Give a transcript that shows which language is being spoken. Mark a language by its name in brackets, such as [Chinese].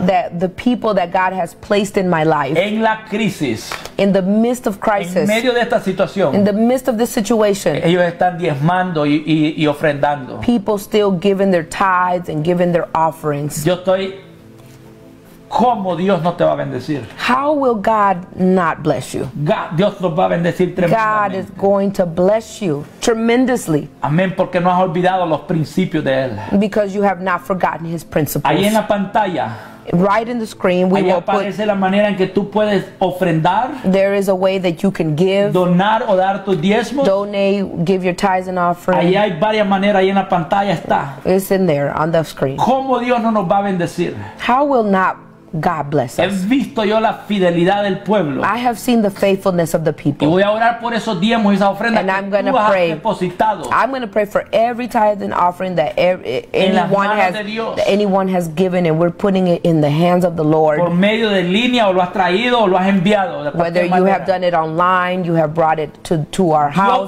[English] That the people that God has placed in my life. [Spanish] En la crisis. [English] In the midst of crisis. [Spanish] En medio de esta situación. [English] In the midst of this situation. [Spanish] Ellos están diezmando y ofrendando. [English] People still giving their tithes and giving their offerings. [Spanish] Yo estoy, ¿cómo Dios no te va a bendecir? [English] How will God not bless you? [Spanish] God, Dios los va a bendecir tremendamente. [English] God is going to bless you tremendously. [Spanish] Amén, porque no has olvidado los principios de él. [English] Because you have not forgotten his principles. [Spanish] Ahí en la pantalla. [English] Right in the screen, we [Spanish] ahí aparece [English] will put, [Spanish] la manera en que tú puedes ofrendar. [English] There is a way that you can give. [Spanish] Donar o dar tus diezmos. [English] Donate, give your tithes and offering. [Spanish] Ahí hay varias maneras, ahí en la pantalla está. [English] It's in there on the screen. [Spanish] ¿Cómo Dios no nos va a bendecir? [English] How will not God bless us. [Spanish] He visto yo la fidelidad del pueblo. [English] I have seen the faithfulness of the people. [Spanish] Y voy a orar por esos diezmos y esa ofrenda [English] and [Spanish] que [English] I'm gonna [Spanish] tú [English] pray. [Spanish] Has depositado. [English] I'm going to pray for every tithe and offering that anyone has given, and we're putting it in the hands of the Lord. [Spanish] Por medio de línea o lo has traído o lo has enviado. [English] Whether you have done it online, you have brought it to our house.